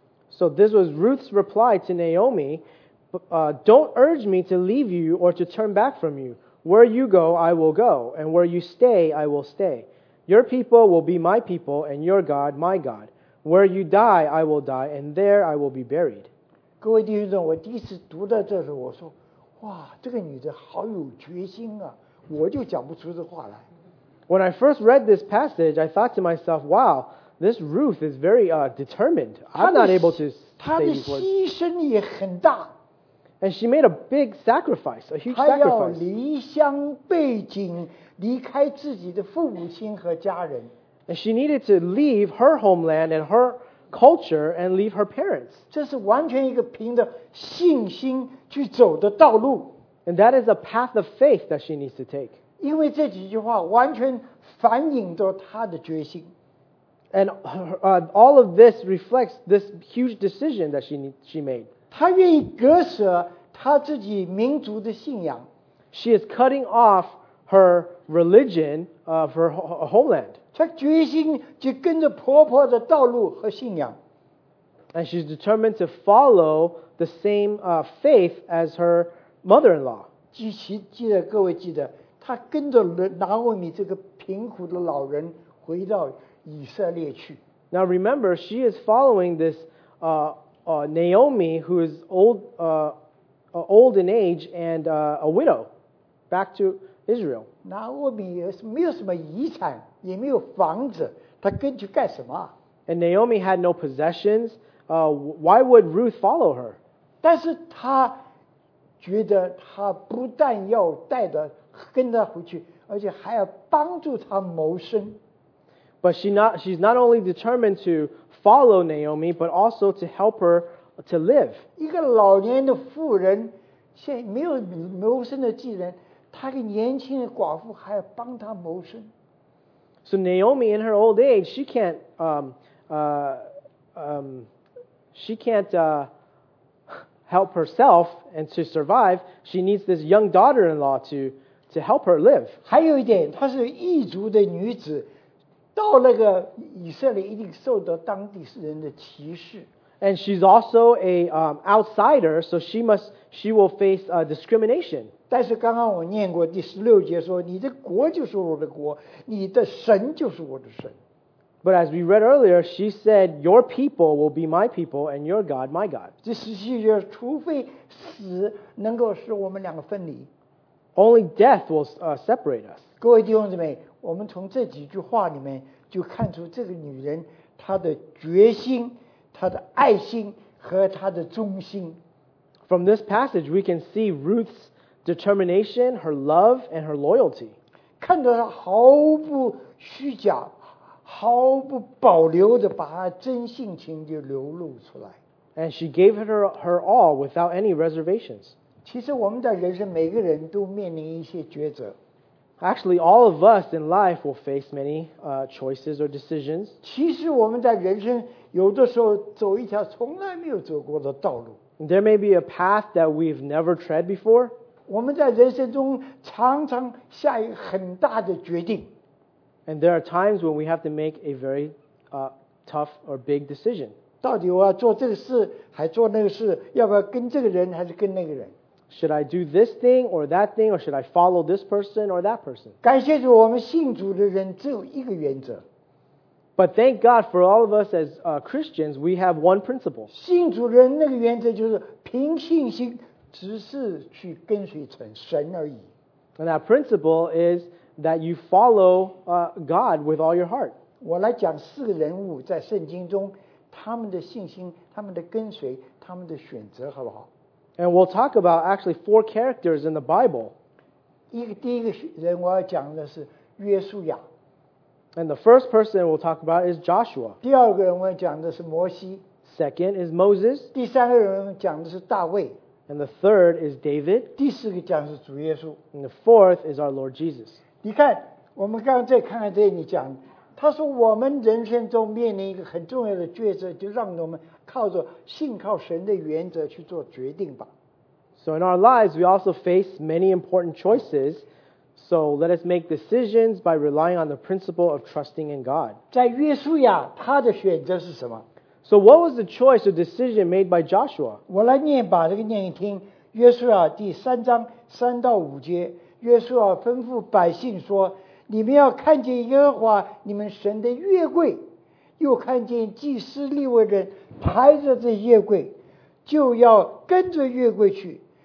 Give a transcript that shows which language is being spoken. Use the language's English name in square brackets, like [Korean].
[English] So this was Ruth's reply to Naomi, don't urge me to leave you or to turn back from you. Where you go, I will go, and where you stay, I will stay. Your people will be my people, and your God, my God. Where you die, I will die, and there I will be buried. [Chinese] 各位弟兄们，我第一次读到这时，我说，哇，这个女的好有决心啊，我就讲不出这话来。 [English] When I first read this passage, I thought to myself, wow, this Ruth is very determined. I'm not able to stay before. [Chinese] 她的牺牲也很大。 [English] And she made a big sacrifice, a huge sacrifice. [Chinese] 她要离乡背井，离开自己的父母亲和家人。 [English] And she needed to leave her homeland and her culture and leave her parents. [Chinese] 这是完全一个凭着信心去走的道路。 [English] And that is a path of faith that she needs to take. [Chinese] 因为这几句话完全反映着她的决心。 [English] And all of this reflects this huge decision that she made. [Chinese] 她愿意割舍她自己民族的信仰。 [English] She is cutting off her religion of her homeland. [Chinese] 她决心就跟着婆婆的道路和信仰。 [English] And she's determined to follow the same faith as her mother-in-law. [Chinese] 记得各位记得，她跟着Naomi这个贫苦的老人回到以色列去。 [English] Now remember, she is following this Naomi, who is old in age and a widow, back to Israel. [Chinese] Naomi 没有什么遗产，也没有房子，她跟去干什么？ [English] And Naomi had no possessions. Why would Ruth follow her? [Chinese] 但是她觉得她不但要带着跟她回去，而且还要帮助她谋生。 [English] But she's not only determined to follow Naomi, but also to help her to live. [Chinese] 一个老年的妇人，现在没有谋生的技能，她个年轻的寡妇还要帮她谋生。 [English] So Naomi, in her old age, she can't help herself and to survive. She needs this young daughter-in-law to to help her live. [Chinese] 还有一点，她是异族的女子，到那个以色列一定受到当地人的歧视。 [English] And she's also a outsider, so she will face discrimination. [Chinese] 但是刚刚我念过第十六节说，你的国就是我的国，你的神就是我的神。 [English] But as we read earlier, she said, "Your people will be my people, and your God, my God." [Chinese] 第十七节，除非死能够使我们两个分离。 [English] Only death will separate us. [Chinese] 各位弟兄姊妹，我们从这几句话里面就看出这个女人她的决心。她的爱心和她的忠心。 [English] From this passage, we can see Ruth's determination, her love, and her loyalty. [Chinese] 看到她毫不虚假，毫不保留地把她真性情就流露出来。 [English] And she gave it her all without any reservations. [Chinese] 其实我们在人生每个人都面临一些抉择。 [English] Actually, all of us in life will face many choices or decisions. [Chinese] 其实我们在人生有的时候走一条从来没有走过的道路。 [English] There may be a path that we've never tread before. [Chinese] 我们在人生中常常下一个很大的决定。 [English] And there are times when we have to make a very tough or big decision. [Chinese] 到底我要做这个事还做那个事，要不要跟这个人还是跟那个人？ [English] Should I do this thing or that thing, or should I follow this person or that person? [Chinese] 感谢主，我们信主的人只有一个原则。 [English] But thank God for all of us as Christians, we have one principle. [Chinese] 信主的人那个原则就是凭信心，只是去跟随成神而已。 [English] And that principle is that you follow God with all your heart. [Chinese] 我来讲四个人物在圣经中，他们的信心，他们的跟随，他们的选择，好不好？ [English] And we'll talk about actually four characters in the Bible. [Chinese] 第一个人我要讲的是约书亚。 [English] And the first person we'll talk about is Joshua. [Chinese] 第二个人我要讲的是摩西。 [English] Second is Moses. [Chinese] 第三个人讲的是大卫。 [English] And the third is David. [Chinese] 第四个讲的是主耶稣。 [English] And the fourth is our Lord Jesus. [Chinese] 你看，我们刚才看看这里讲，他说我们人生中面临一个很重要的抉择，就让我们靠着信靠神的原则去做决定吧。 [English] So in our lives, we also face many important choices. So let us make decisions by relying on the principle of trusting in God. [Chinese] 在约书亚，他的选择是什么？ [English] So what was the choice or decision made by Joshua? [Chinese] 我来念吧，这个念一听。约书亚第三章三到五节，约书亚吩咐百姓说：你们要看见耶和华你们神的约柜，又看见祭司利未人抬着这约柜，就要跟着约柜去。